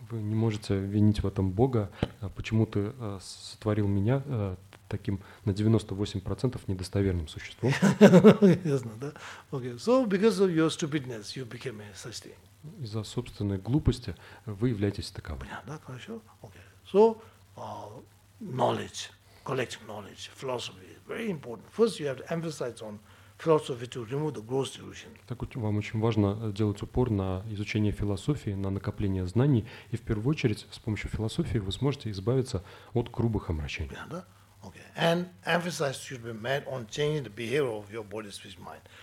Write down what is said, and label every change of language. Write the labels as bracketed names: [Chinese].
[Russian] Вы не можете винить в этом Бога, почему ты сотворил меня таким на 98% недостоверным существом. Ясно, да? Okay. [English] So because of your stupidness, you became a such thing. [Russian] Из-за собственной глупости вы являетесь таковым. Понятно, да? Хорошо. [English] Okay. So knowledge, collective knowledge, philosophy is very important. First, you have to emphasize on philosophy to remove the gross delusion. [Russian] Так вам очень важно делать упор на изучение философии, на накопление знаний, и в первую очередь с помощью философии вы сможете избавиться от грубых омрачений. Понятно, да? Okay. [English] And emphasis should be made on changing the behavior of your body, speech, mind.